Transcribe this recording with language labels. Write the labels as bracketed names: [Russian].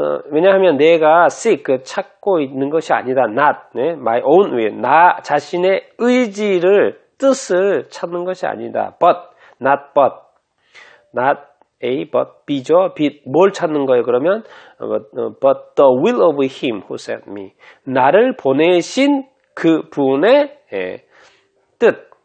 [Korean] 왜냐하면 내가 seek, 찾고 있는 것이 아니다. Not 네? [English] my own will. [Korean] 나 자신의 의지를, 뜻을 찾는 것이 아니다. [English] Not A, but B죠. [Korean] B, 뭘 찾는 거예요, 그러면? [English] But the will of him who sent me. [Korean] 나를 보내신 그분의 예, 뜻.